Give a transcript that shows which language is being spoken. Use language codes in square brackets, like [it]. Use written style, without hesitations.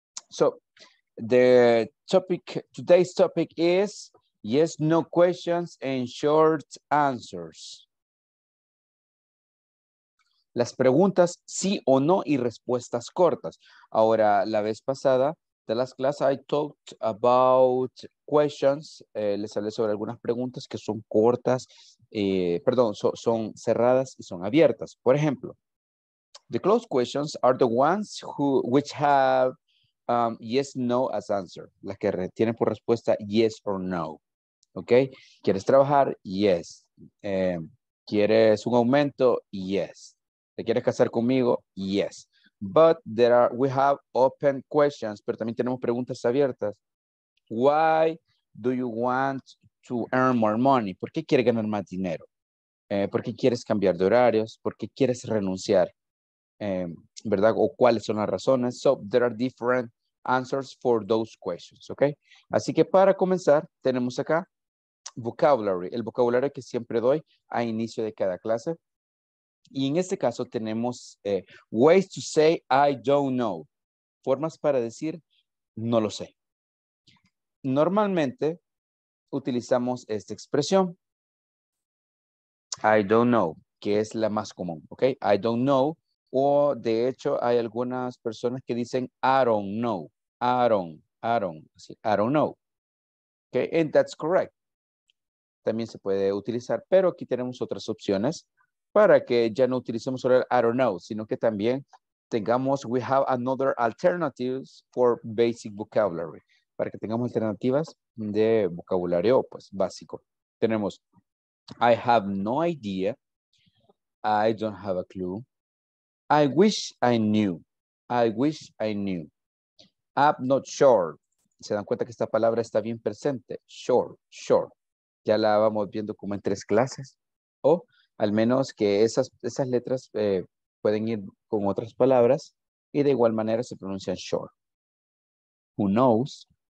[en] So the topic, today's topic is yes, no questions and short answers. [es] Las preguntas sí o no y respuestas cortas. Ahora, la vez pasada, [en] the last class, I talked about questions. [es] Les hablé sobre algunas preguntas que son cortas, son cerradas y son abiertas. Por ejemplo, [en] the closed questions are the ones which have yes, no as answer. [es] Las que tienen por respuesta yes or no. Okay. ¿Quieres trabajar? Yes. ¿Quieres un aumento? Yes. ¿Te quieres casar conmigo? Yes. [en] But we have open questions, [es] pero también tenemos preguntas abiertas. [en] Why do you want to earn more money? [es] ¿Por qué quieres ganar más dinero? ¿Por qué quieres cambiar de horarios? ¿Por qué quieres renunciar? ¿Verdad? ¿O cuáles son las razones? [en] So there are different answers for those questions, okay? [es] Así que para comenzar, tenemos acá vocabulary, el vocabulario que siempre doy a inicio de cada clase. Y en este caso tenemos [en] ways to say I don't know, [es] formas para decir no lo sé. Normalmente utilizamos esta expresión, [en] I don't know, [es] que es la más común, okay? I don't know. O de hecho hay algunas personas que dicen [en] I don't know. Okay, and that's correct. [es] También se puede utilizar, pero aquí tenemos otras opciones para que ya no utilicemos solo el I don't know, sino que también tengamos, [en] we have another alternatives for basic vocabulary, [es] para que tengamos alternativas de vocabulario, pues, básico. Tenemos, [en] I have no idea, I don't have a clue, I wish I knew, I'm not sure. [es] Se dan cuenta que esta palabra está bien presente, sure. Ya la vamos viendo como en tres clases, o al menos que esas letras pueden ir con otras palabras y de igual manera se pronuncian sure. [en] Who knows?